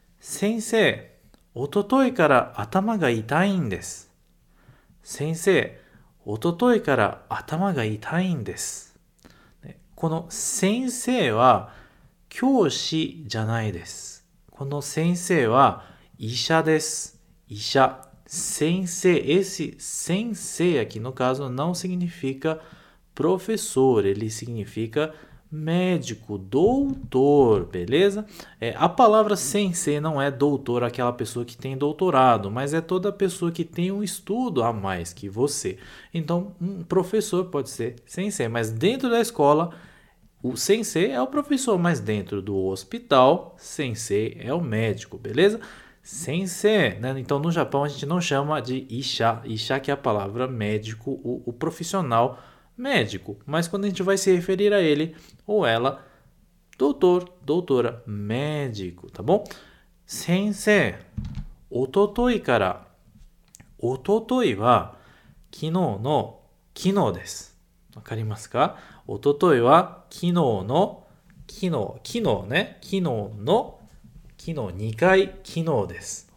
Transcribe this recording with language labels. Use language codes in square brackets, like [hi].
[ja] 先生、おとといから頭が痛いんです。先生、おとといから頭が痛いんです。この先生は教師じゃないです。この先生は医者です。医者。 [pt] 先生、esse 先生 aqui no caso não significa professor, ele significa médico, doutor, beleza? É, a palavra 先生 não é doutor, aquela pessoa que tem doutorado, mas é toda pessoa que tem um estudo a mais que você. Então, um professor pode ser 先生, mas dentro da escola, o 先生 é o professor, mas dentro do hospital, 先生 é o médico, beleza? 先生、né? Então no Japão a gente não chama de isha, isha que é a palavra médico, o profissional médico, mas quando a gente vai se referir a ele ou ela, doutor, doutora, médico, tá bom? [ja] 先生、おとといから、おとといは昨日の昨日です。わかりますか? おとといは昨日の昨日、昨日ね、昨日の昨日、2回昨日です。